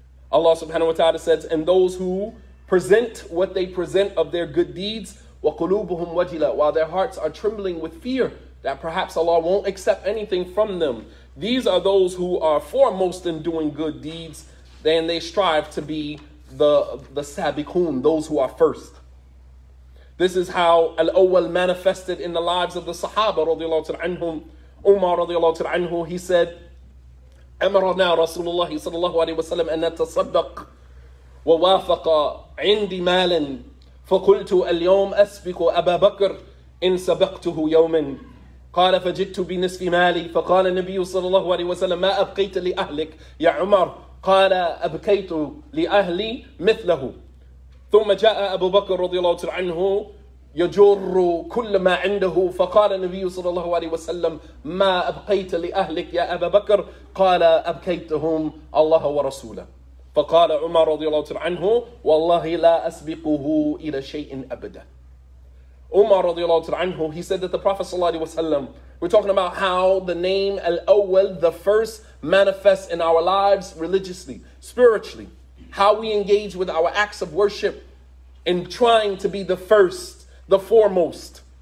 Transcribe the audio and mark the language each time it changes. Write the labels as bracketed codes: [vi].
[en] Allah subhanahu wa ta'ala says, and those who present what they present of their good deeds, [ar] وَقُلُوبُهُمْ وَجِلَةٌ, [en] while their hearts are trembling with fear that perhaps Allah won't accept anything from them, these are those who are foremost in doing good deeds. Then they strive to be the sabiqoon, those who are first. This is how Al-Awwal manifested in the lives of the Sahaba radiallahu ta'ala anhum. [ar] Umar radiallahu ta'ala anhu, he said, أمرنا رسول الله صلى الله عليه وسلم أن نتصدق ووافق عندي مالا فقلت اليوم أسبق أبا بكر إن سبقته يوما قال فجئت بنصف مالي فقال النبي صلى الله عليه وسلم ما أبقيت لأهلك يا عمر قال أبكيت لأهلي مثله ثم جاء أبو بكر رضي الله تعالى عنه يجر كل ما عنده فقال النبي صلى الله عليه وسلم ما أبقيت لأهلك يا أبا بكر قال أبكيتهم الله ورسوله فقال عمر رضي الله تعالى عنه والله لا أسبقه إلى شيء أبدا. [en] Umar radiallahu ta'ala anhu, he said that the Prophet sallallahu alayhi wa sallam, we're talking about how the name Al-Awwal, the first, manifests in our lives religiously, spiritually, how we engage with our acts of worship in trying to be the first, the foremost.